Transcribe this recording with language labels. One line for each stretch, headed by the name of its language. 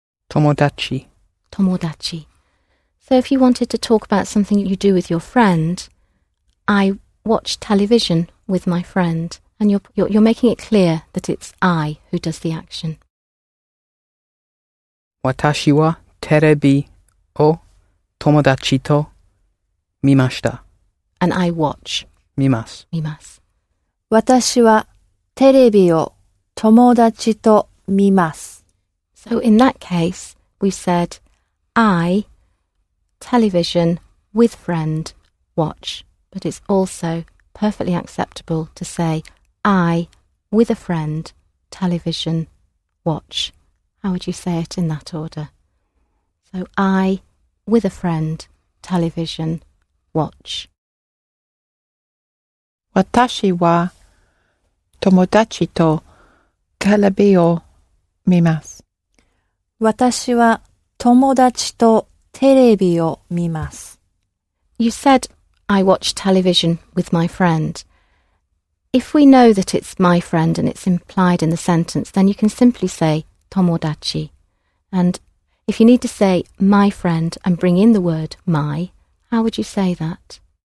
Japanese: Tomodachi. Tomodachi.
English: So if you wanted to talk about something you do with your friend, I watch television with my friend. And you're making it clear that it's I who does the action.
Japanese: 私はテレビを友達と見ました。
English: And I watch.
Japanese: 見ます。私はテレビを友達と見ます。
English: So in that case, we said, I, television, with friend, watch. But it's also perfectly acceptable to say, I, with a friend, television, watch. How would you say it in that order? So I, with a friend, television, watch.
Japanese: 私は友達とテレビを見ます。私は友達とテレビを見ます。
English: You said, I watch television with my friend. If we know that it's my friend and it's implied in the sentence, then you can simply say, 友達. And if you need to say, my friend, and bring in the word, my, how would you say that?